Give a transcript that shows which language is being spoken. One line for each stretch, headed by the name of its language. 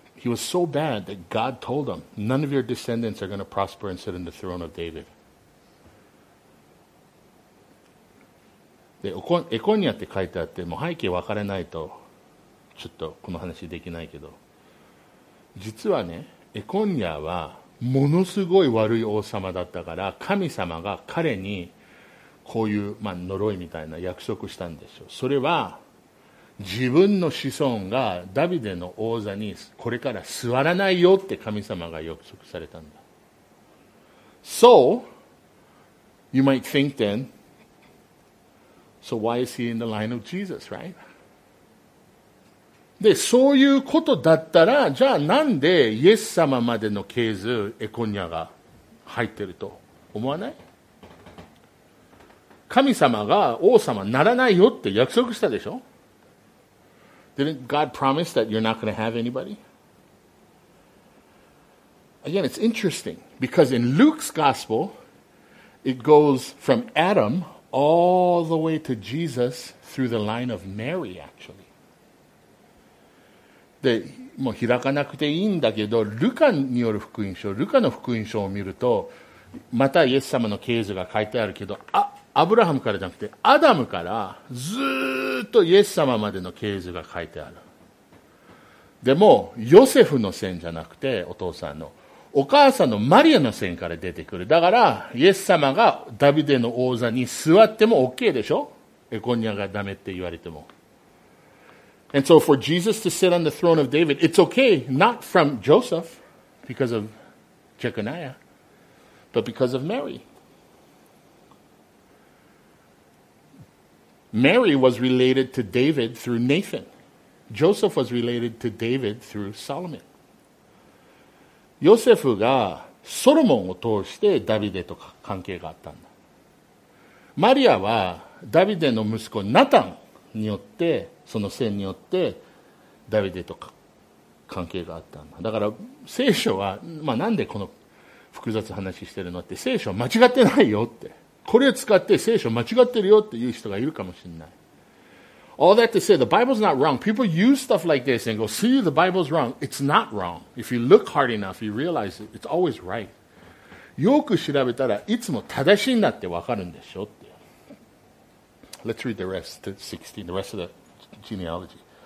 English: He was so bad that God told him, none of your descendants are going to prosper and sit in the throne of David.
Japanese: で、エコニアって書いてあって、もう背景分からないと。ちょっとこの話できないけど、実はね、エコニアはものすごい悪い王様だったから、神様が彼にこういう、まあ、呪いみたいな約束したんでしょう。それは自分の子孫がダビデの王座にこれから座らないよって神様が約束されたんだ。
English: So you might think then, so why is he in the line of Jesus, right?
Japanese: で、そういうことだったら、じゃあなんでイエス様までの系図エコニアが入ってると思わない？神様が王様ならないよって約束したでしょ。
English: Didn't God promise that you're not going to have anybody? Again, it's interesting because in Luke's gospel it goes from Adam all the way to Jesus through the line of Mary actually.
Japanese: で、もう開かなくていいんだけど、ルカによる福音書、ルカの福音書を見ると、またイエス様の系図が書いてあるけど、アブラハムからじゃなくて、アダムからずっとイエス様までの系図が書いてある。でも、ヨセフの線じゃなくて、お父さんの、お母さんのマリアの線から出てくる。だから、イエス様がダビデの王座に座っても OK でしょ？エコニアがダメって言われても。
English: And so for Jesus to sit on the throne of David, it's okay, not from Joseph, because of Jeconiah, but because of Mary. Mary was related to David through Nathan. Joseph was related to David through Solomon.
Japanese: ヨセフがソロモンを通してダビデと関係があったんだ。マリアはダビデの息子ナタンによって、その線によってダビデと関係があったんだ。だから聖書は、まあ、なんでこの複雑話してるのって、聖書は間違ってないよって、これを使って聖書間違ってるよっていう人がいるかもしれない。
English: All that to say, the Bible's not wrong. People use stuff like this and go, see, the Bible's wrong. It's not wrong. If you look hard enough, you realize it's always right.
Japanese: よく調べたらいつも正しいんだってわかるんでしょって。
English: Let's read the rest, the 16, the rest of the genealogy.